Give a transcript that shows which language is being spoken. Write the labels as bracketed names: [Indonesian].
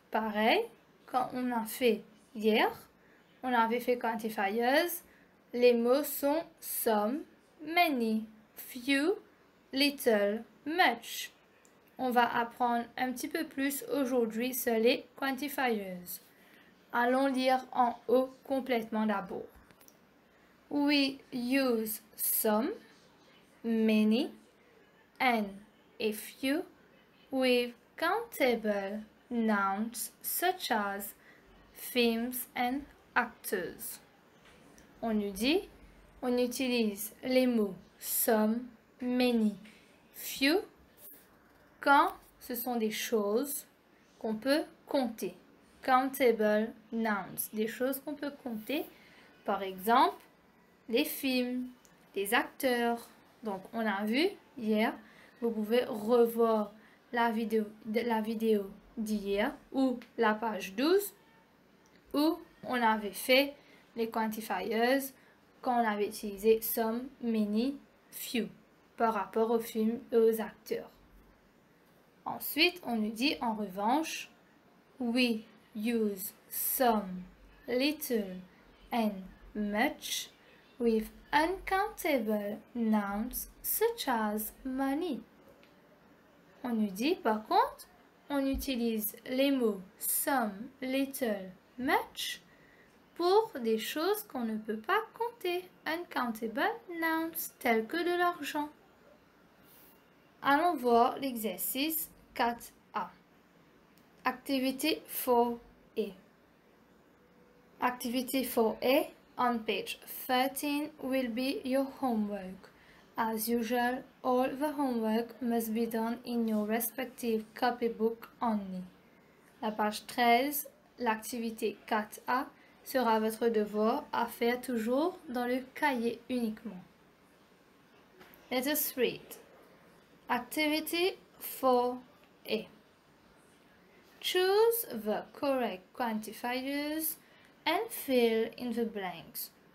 [French] Pareil, quand on a fait hier, on avait fait quantifiers. Les mots sont some, many, few, little, much. On va apprendre un petit peu plus aujourd'hui sur les quantifiers. Allons lire en haut complètement d'abord. [English] We use some, many, and a few with countable nouns such as films and actors. [French] On nous dit, on utilise les mots some, many, few quand ce sont des choses qu'on peut compter. Countable nouns, des choses qu'on peut compter. Par exemple, les films, les acteurs. Donc, on a vu hier, vous pouvez revoir la vidéo d'hier ou la page 12 où on avait fait les quantifiers quand on avait utilisé some, many, few par rapport aux films et aux acteurs. Ensuite, on nous dit en revanche, [English] we use some, little and much with uncountable nouns such as money. [French] On nous dit par contre, on utilise les mots some, little, much pour des choses qu'on ne peut pas compter, uncountable nouns, tels que de l'argent. Allons voir l'exercice 4A. Activité 4A. [English] Activité 4A on page 13 will be your homework. As usual, all the homework must be done in your respective copybook only. [French] La page 13, l'activité 4A, sera votre devoir à faire toujours dans le cahier uniquement. [English] Let us read. Activity 4A. Choose the correct quantifiers and fill in the blanks.